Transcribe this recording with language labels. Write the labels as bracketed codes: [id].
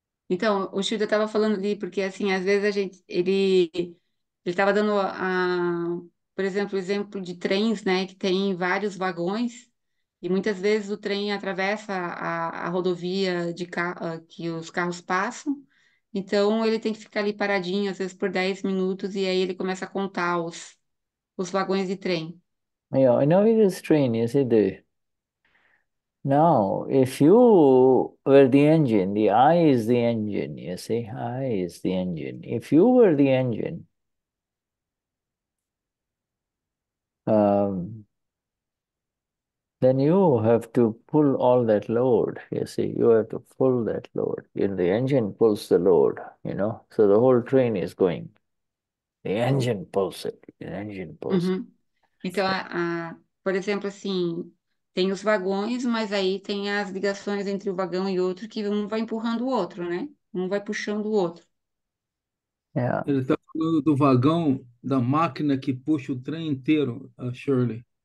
[pt] Então, o Shuddha estava falando ali, porque assim, às vezes a gente, ele estava dando, por exemplo, o exemplo de trens, né, que tem vários vagões, e muitas vezes o trem atravessa a rodovia de que os carros passam, então ele tem que ficar ali paradinho, às vezes por 10 minutos, e aí ele começa a contar os vagões de trem. [en] Yeah, I know it is train, you see the... Now, if you were the engine, the eye is the engine, you see, eye is the engine. If you were the engine, then you have to pull all that load, you see, you have to pull that load. If the engine pulls the load, you know, so the whole train is going. The engine pulls it, the engine pulls it. [pt] Então, por exemplo, assim, tem os vagões, mas aí tem as ligações entre o vagão e outro, que um vai empurrando o outro, né? Um vai puxando o outro. [en] Yeah. [pt] Ele está falando do vagão, da máquina que puxa o trem inteiro, Shirley.